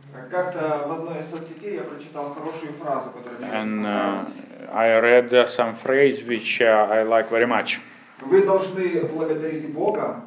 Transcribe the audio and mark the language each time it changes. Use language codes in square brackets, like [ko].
[ru] Как-то в одной из соцсетей я прочитал хорошую фразу, которая мне [en] And I read some phrase which I like very much. [ru] Вы должны благодарить Бога.